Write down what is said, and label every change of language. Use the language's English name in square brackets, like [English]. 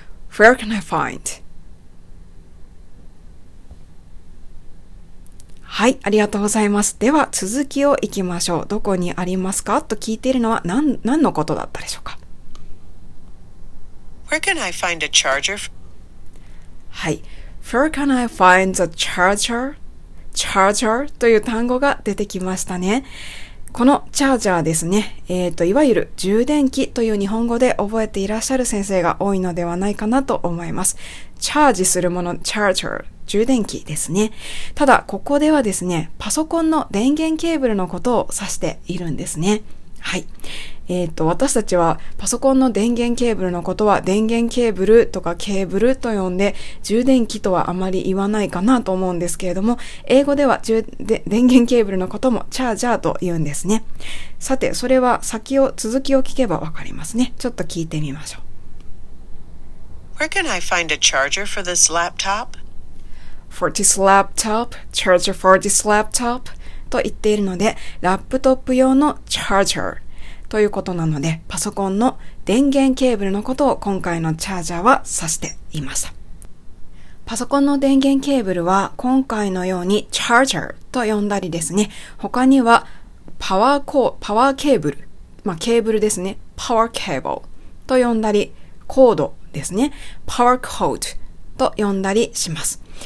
[English] Where can I find? [Japanese] はい、ありがとうございます。では続きをいきましょう。どこにありますかと聞いているのは 何のことだったでしょうか。 [English] Where can I find a charger? はい、 Where can I find a charger? [Japanese] Charger という単語が出てきましたね。このチャージャーですね、いわゆる充電器という日本語で覚えていらっしゃる先生が多いのではないかなと思います。チャージするもの、チャージャー、充電器ですね。ただここではですね、パソコンの電源ケーブルのことを指しているんですね。はい、私たちはパソコンの電源ケーブルのことは電源ケーブルとかケーブルと呼んで、充電器とはあまり言わないかなと思うんですけれども、英語では電源ケーブルのこともチャージャーと言うんですね。さてそれは続きを聞けばわかりますね。ちょっと聞いてみましょう。 [English] Where can I find a charger for this laptop? For this laptop, charger for this laptop [Japanese] と言っているので、ラップトップ用のチャージャーということなので、パソコンの電源ケーブルのことを今回のチャージャーは指しています。パソコンの電源ケーブルは今回のようにチャージャーと呼んだりですね、他にはパワーケーブル、まあ、ケーブルですね、パワーケーブルと呼んだり、コードですね、パワーコードと呼んだりします。